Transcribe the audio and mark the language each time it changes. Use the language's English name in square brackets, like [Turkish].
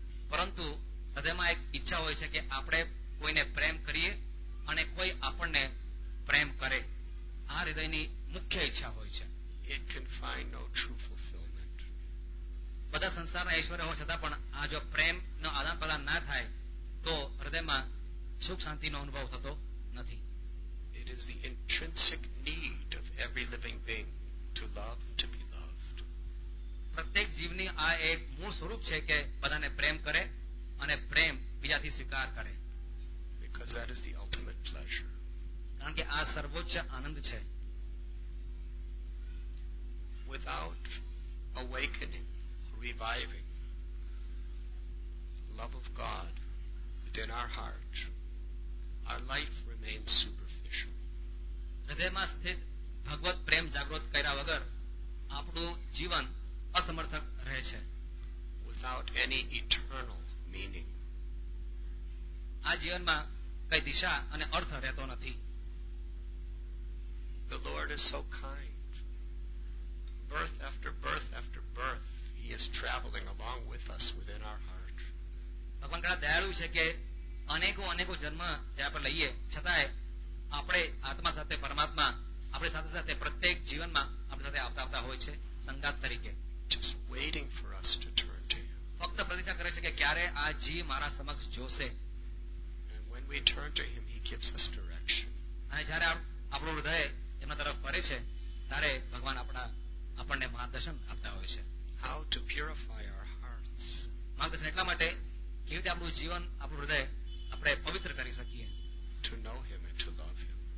[Gujarati] પરંતુ હૃદયમાં એક ઈચ્છા હોય છે કે આપણે કોઈને પ્રેમ કરીએ અને કોઈ આપણને પ્રેમ કરે. આ હૃદયની મુખ્ય ઈચ્છા હોય છે. [English] It can find no true fulfillment. [Gujarati] બધા સંસારના ઐશ્વર્ય હોવા છતાં પણ આ જો પ્રેમનો આદાન પ્રદાન ના થાય તો હૃદયમાં સુખ શાંતિનો અનુભવ થતો નથી. [English] It is the intrinsic need of every living being to love and to be loved. [Gujarati] પ્રત્યેક જીવની આ એક મૂળ સ્વરૂપ છે કે બધાને પ્રેમ કરે અને પ્રેમ બીજાથી સ્વીકાર કરે. [English] Because that is the ultimate pleasure. [Gujarati] કારણ કે આ સર્વોચ્ચ આનંદ છે. [English] Without awakening, reviving love of God within our heart, our life remains superficial. [Gujarati] હૃદયમાં સ્થિત ભગવત પ્રેમ જાગૃત કર્યા વગર આપણું જીવન અસમર્થક રહે છે. [English] Without any eternal meaning, [Gujarati] આ જીવનમાં કઈ દિશા અને અર્થ રહેતો નથી. [English] The Lord is so kind. Birth after birth after birth, He is traveling along with us within our heart. [Gujarati] ભગવાન કૃપા દયાળુ છે કે અનેકો અનેકો જન્મ જ્યાં પર લઈએ છતાંય આપણે આત્મા સાથે પરમાત્મા આપણી સાથે સાથે પ્રત્યેક જીવનમાં આપણી સાથે આવતા આવતા હોય છે સંગાત તરીકે. [English] Just waiting for us to turn to Him. [Gujarati] ફક્ત પ્રતીક્ષા કરે છે કે ક્યારે આ જીવ મારા સમક્ષ જોશે. [English] And when we turn to Him, He gives us direction. [Gujarati] અને જ્યારે આપણું હૃદય એમના તરફ ફરે છે ત્યારે ભગવાન આપણા આપણને માર્ગદર્શન આપતા હોય છે. [English] How to purify our hearts. [Gujarati] માર્ગદર્શન એટલા માટે કેવી રીતે આપણું જીવન આપણું હૃદય આપણે પવિત્ર કરી શકીએ. [English] To know him and to love him.